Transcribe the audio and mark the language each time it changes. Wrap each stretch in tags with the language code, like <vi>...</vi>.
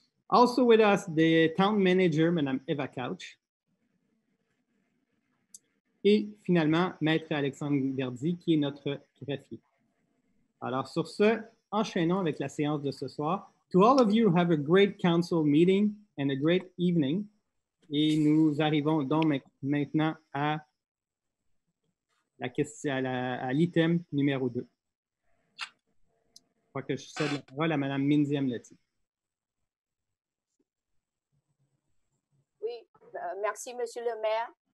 <en>Also with us, the Town Manager, Madame Eva Couch.</en> <fr>Et finalement, Maître Alexandre Verdi, qui est notre greffier. Alors sur ce, enchaînons avec la séance de ce soir.</fr> <en>To all of you, have a great council meeting and a great evening.</en> <fr>Et nous arrivons donc maintenant à la question, à l'item numéro 2. Je crois que je cède la parole à Madame Mindiam Letty. Oui, merci, Monsieur le maire.</fr>